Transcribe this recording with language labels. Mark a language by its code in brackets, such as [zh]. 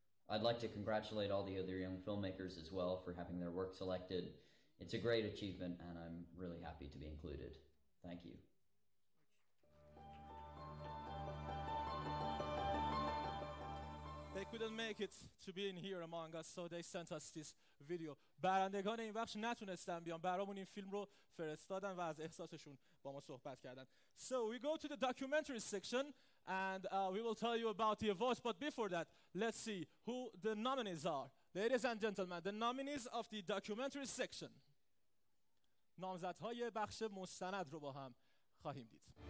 [en] I'd like to congratulate all the other young filmmakers as well for having their work selected. It's a great achievement, and I'm really happy to be included. Thank you. They couldn't make it to be in here among us, so they sent us this video. [fa] برندگان این بخش نتونستن بیان، برامون این فیلم رو فرستادن و از احساسشون با ما صحبت کردن. [en] So we go to the documentary section, and we will tell you about the awards. But before that, let's see who the nominees are. Ladies and gentlemen, the nominees of the documentary section. [fa] نامزدهای بخش مستند رو با هم خواهیم دید.